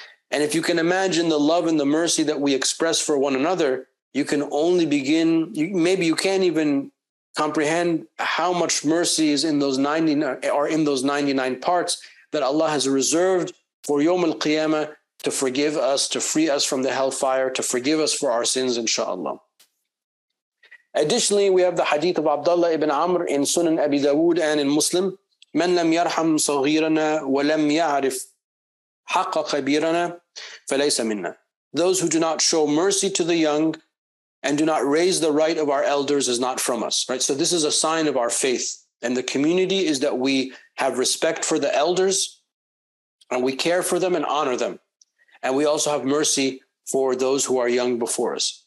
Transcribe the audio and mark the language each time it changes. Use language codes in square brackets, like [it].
[en] And if you can imagine the love and the mercy that we express for one another, you can only begin, maybe you can't even comprehend how much mercy is in those 99, or in those 99 parts that Allah has reserved for Yawm Al-Qiyamah, to forgive us, to free us from the hellfire, to forgive us for our sins, inshallah. Additionally, we have the hadith of Abdullah ibn Amr in Sunan Abi Dawood and in Muslim. [ar] من لم يرحم صغيرنا ولم يعرف حق كبيرنا فليس منا. [en] Those who do not show mercy to the young and do not raise the right of our elders is not from us. Right? So this is a sign of our faith and the community, is that we have respect for the elders and we care for them and honor them. And we also have mercy for those who are young before us.